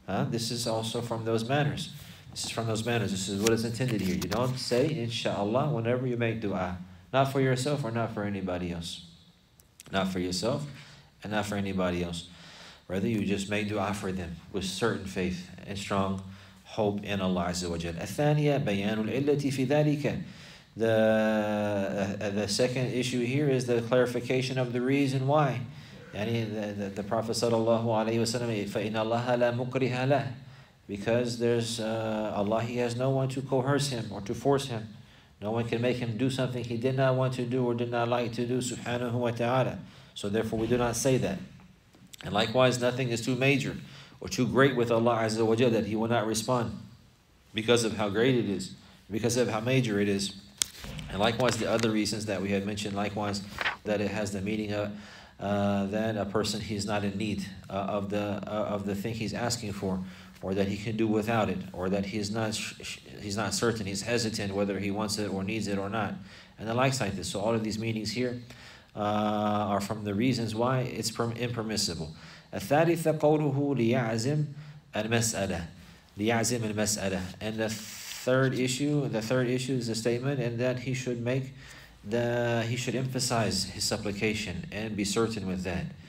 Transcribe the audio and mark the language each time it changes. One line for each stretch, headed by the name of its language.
English: This is also from those manners. This is from those manners. This is what is intended here. You don't say inshallah whenever you make dua. Not for yourself or not for anybody else. Not for yourself and not for anybody else. Rather, you just make dua for them with certain faith and strong hope in Allah Azza wa Jal.
Arabic: الثانيه بيان العله في ذلك.
English: The second issue here is the clarification of the reason why. Yani the Prophet sallallahu alaihi wasallam,
Arabic: فَإِنَّ اللَّهَ لَا مُكْرِهَ لَهُ.
English: Because there's Allah, he has no one to coerce him or to force him. No one can make him do something he did not want to do or did not like to do, subhanahu wa ta'ala. So therefore we do not say that. And likewise, nothing is too major or too great with Allah Azza wa Jalla that he will not respond because of how great it is, because of how major it is. And likewise, the other reasons that we had mentioned, likewise, that it has the meaning of that a person, he's not in need of the thing he's asking for, or that he can do without it, or that he's not certain, he's hesitant whether he wants it or needs it or not, and the likes like this. So all of these meanings here are from the reasons why it's impermissible.
Arabic: الثالثة قوله ليعزم المسألة. ليعزم المسألة.
English: And the third issue, is a statement, and that he should make he should emphasize his supplication and be certain with that.